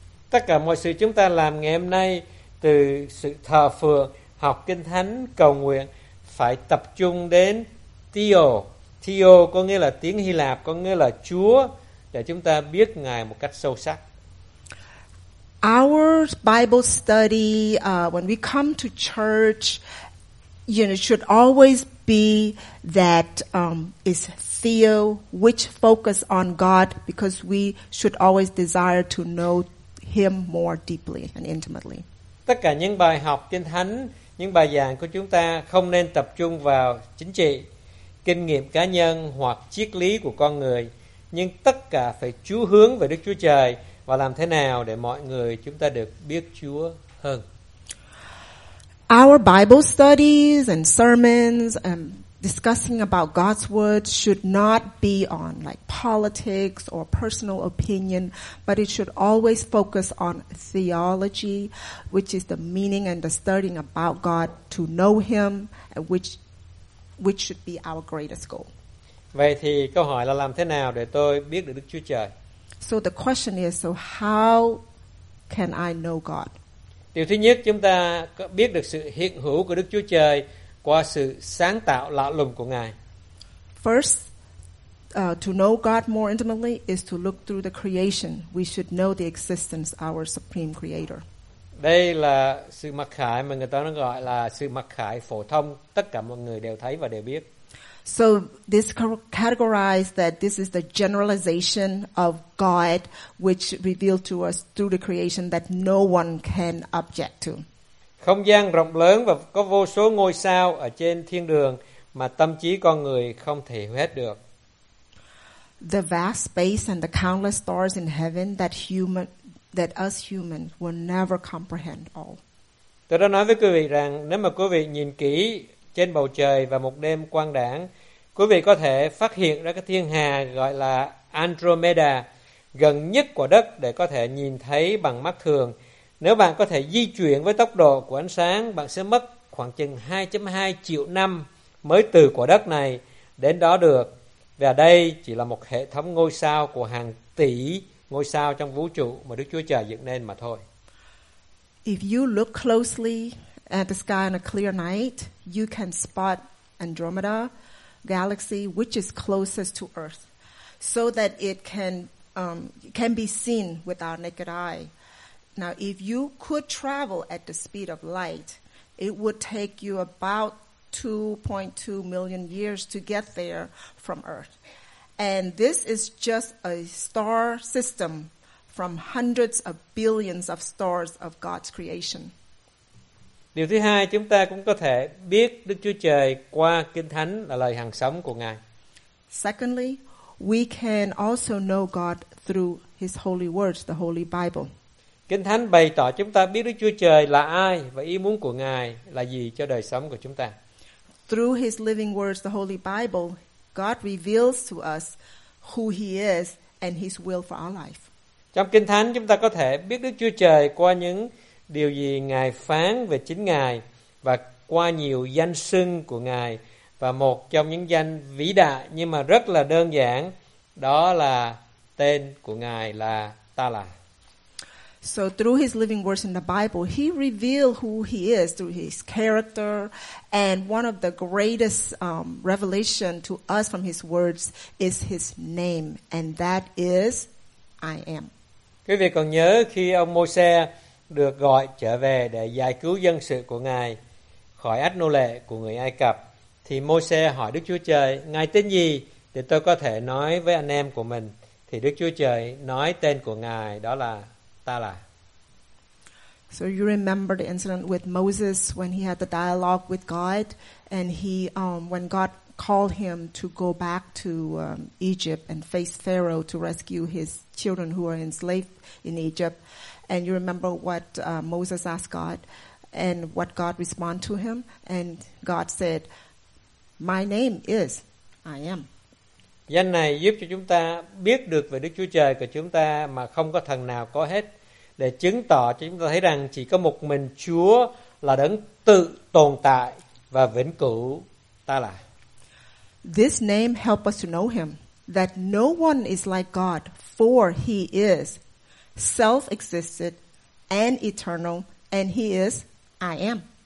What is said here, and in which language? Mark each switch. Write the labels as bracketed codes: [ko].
[vi] Tất cả mọi sự chúng ta làm ngày hôm nay, từ sự thờ phượng, học kinh thánh, cầu nguyện, phải tập trung đến Theo. Theo có nghĩa là tiếng Hy Lạp, có nghĩa là Chúa, để chúng ta biết Ngài một cách sâu sắc. [en] Our Bible study, when we come to church, you know, should always be that is Theo, which focus on God, because we should always desire to know Him more deeply and intimately. [vi] Tất cả những bài học kinh thánh, những bài giảng của chúng ta không nên tập trung vào chính trị, kinh nghiệm cá nhân hoặc triết lý của con người, nhưng tất cả phải chú hướng về Đức Chúa Trời và làm thế nào để mọi người chúng ta được biết Chúa hơn. [en] Our Bible studies and sermons and discussing about God's word should not be on like politics or personal opinion, but it should always focus on theology, which is the meaning and the studying about God, to know Him, which should be our greatest goal. [vi] Vậy thì câu hỏi là làm thế nào để tôi biết được Đức Chúa Trời? [en] So the question is, so how can I know God? [vi] Điều thứ nhất, chúng ta biết được sự hiện hữu của Đức Chúa Trời qua sự sáng tạo lạ lùng của Ngài. [en] First, To know God more intimately is to look through the creation. We should know the existence of our supreme creator. [vi] Đây là sự mặc khải mà người ta nó gọi là sự mặc khải phổ thông, tất cả mọi người đều thấy và đều biết. [en] So this categorized that this is the generalization of God which revealed to us through the creation that no one can object to. [vi] Không gian rộng lớn và có vô số ngôi sao ở trên thiên đường mà tâm trí con người không thể hiểu hết được. [en] The vast space and the countless stars in heaven that us human will never comprehend all. [vi] Tôi đã nói với quý vị rằng nếu mà quý vị nhìn kỹ trên bầu trời vào một đêm quang đãng, quý vị có thể phát hiện ra cái thiên hà gọi là Andromeda gần nhất của đất để có thể nhìn thấy bằng mắt thường. Nếu bạn có thể di chuyển với tốc độ của ánh sáng, bạn sẽ mất khoảng chừng 2.2 triệu năm mới từ quả đất này đến đó được. Và đây chỉ là một hệ thống ngôi sao của hàng tỷ ngôi sao trong vũ trụ mà Đức Chúa Trời dựng nên mà thôi. [en] If you look closely at the sky on a clear night, you can spot Andromeda galaxy, which is closest to Earth, so that it can be seen with our naked eye. Now, if you could travel at the speed of light, it would take you about 2.2 million years to get there from Earth. And this is just a star system from hundreds of billions of stars of God's creation. [vi] Điều thứ hai, chúng ta cũng có thể biết Đức Chúa Trời qua Kinh Thánh là lời hằng sống của Ngài. [en] Secondly, we can also know God through His holy words, the Holy Bible. [vi] Kinh Thánh bày tỏ chúng ta biết Đức Chúa Trời là ai và ý muốn của Ngài là gì cho đời sống của chúng ta. [en] Through His living words, the Holy Bible, God reveals to us who He is and His will for our life. [vi] Trong Kinh Thánh, chúng ta có thể biết Đức Chúa Trời qua những điều gì Ngài phán về chính Ngài và qua nhiều danh xưng của Ngài, và một trong những danh vĩ đại nhưng mà rất là đơn giản đó là tên của Ngài là Ta là. [en] So through His living words in the Bible, He revealed who He is through His character, and one of the greatest revelation to us from His words is His name, and that is I am. [vi] Quý vị còn nhớ khi ông Môi-se được gọi trở về để giải cứu dân sự của Ngài khỏi ách nô lệ của người Ai Cập, thì Môi-se hỏi Đức Chúa Trời: Ngài tên gì để tôi có thể nói với anh em của mình? Thì Đức Chúa Trời nói tên của Ngài đó là Ta là. [en] So you remember the incident with Moses when he had the dialogue with God, and he when God called him to go back to Egypt and face Pharaoh to rescue his children who are enslaved in Egypt. And you remember what Moses asked God and what God responded to him. And God said, my name is I am. [vi] Danh này giúp cho chúng ta biết được về Đức Chúa Trời của chúng ta mà không có thần nào có hết, để chứng tỏ cho chúng ta thấy rằng chỉ có một mình Chúa là đấng tự tồn tại và vĩnh cửu, Ta là. [en] This name help us to know him, that no one is like God, for he is self-existed and eternal, and he is I am.